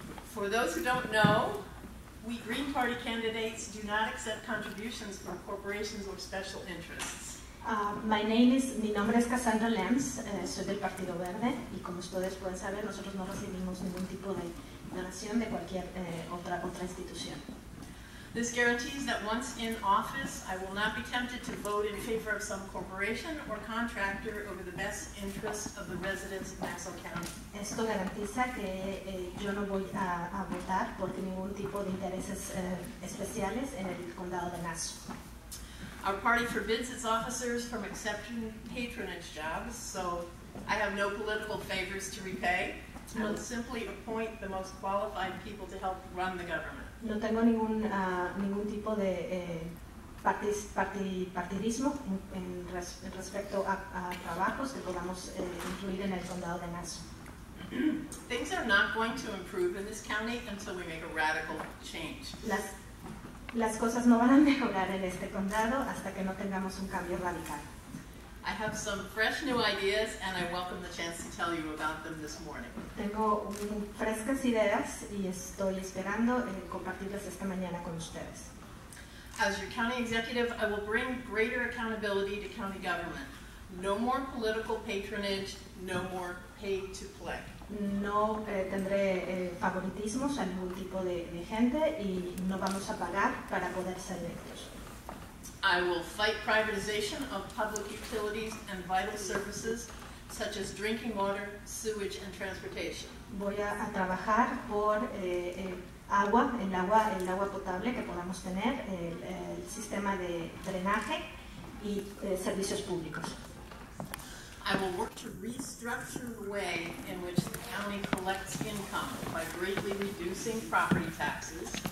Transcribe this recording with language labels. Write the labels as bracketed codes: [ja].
[en] For those who don't know, we Green Party candidates do not accept contributions from corporations or special interests. [es] Mi nombre es Cassandra Lenz, soy del Partido Verde, y como ustedes pueden saber, nosotros no recibimos ningún tipo de donación de cualquier otra institución. [en] This guarantees that once in office, I will not be tempted to vote in favor of some corporation or contractor over the best interests of the residents of Nassau County. [es] Esto garantiza que yo no voy a votar por ningún tipo de intereses especiales en el condado de Nassau. [en] Our party forbids its officers from accepting patronage jobs, so I have no political favors to repay. I will simply appoint the most qualified people to help run the government. [es] No tengo ningún tipo de partidismo en respecto a trabajos que podamos incluir en el condado de Nassau. [en] Things are not going to improve in this county until we make a radical change. [es] Las cosas no van a mejorar en este condado hasta que no tengamos un cambio radical. [en] I have some fresh new ideas and I welcome the chance to tell you about them this morning. [es] Tengo frescas ideas y estoy esperando compartirlas esta mañana con ustedes. [en] As your county executive, I will bring greater accountability to county government. No more political patronage, no more pay to play. [es] No tendré favoritismos a ningún tipo de gente y no vamos a pagar para poder ser electos. [en] I will fight privatization of public utilities and vital services such as drinking water, sewage, and transportation. [es] Voy a trabajar por agua, el agua potable que podamos tener, el sistema de drenaje y servicios públicos. [en] I will work to restructure the way in which the county collects income by greatly reducing property taxes.